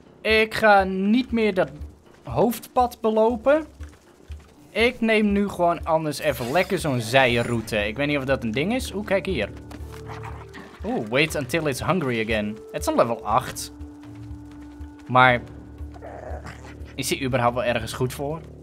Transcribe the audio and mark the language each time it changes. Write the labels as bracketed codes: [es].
[nl] Ik ga niet meer dat hoofdpad belopen. Ik neem nu gewoon anders even lekker zo'n zijroute. Ik weet niet of dat een ding is. Oeh, kijk hier. [en] Oeh, wait until it's hungry again. It's on level 8. [nl] Maar is hij überhaupt wel ergens goed voor?